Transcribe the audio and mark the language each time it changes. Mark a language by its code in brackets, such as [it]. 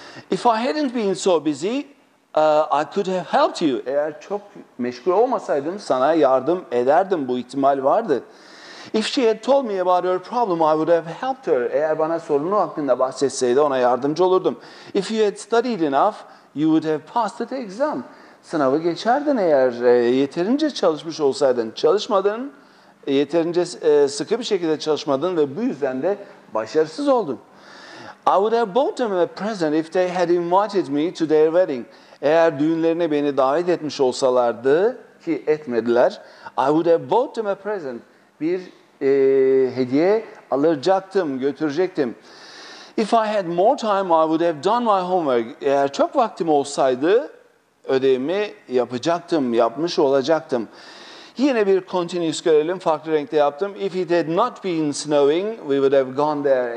[en] If I hadn't been so busy, I could have helped you. [tr] Eğer çok meşgul olmasaydım sana yardım ederdim, bu ihtimal vardı. [en] If she had told me about her problem, I would have helped her. [tr] Eğer bana sorunu hakkında bahsetseydi ona yardımcı olurdum. [en] If you had studied enough, you would have passed the exam. [tr] Sınavı geçerdin eğer yeterince çalışmış olsaydın. Çalışmadın, yeterince sıkı bir şekilde çalışmadın ve bu yüzden de başarısız oldun. [en] I would have bought them a present if they had invited me to their wedding. [tr] Eğer düğünlerine beni davet etmiş olsalardı, ki etmediler, [en] I would have bought them a present. [tr] Bir hediye alacaktım, götürecektim. [en] If I had more time, I would have done my homework. [tr] Eğer çok vaktim olsaydı, ödevimi yapacaktım, yapmış olacaktım. Yine bir continuous görelim, farklı renkte yaptım. [en] If it had not been snowing, we would have gone there.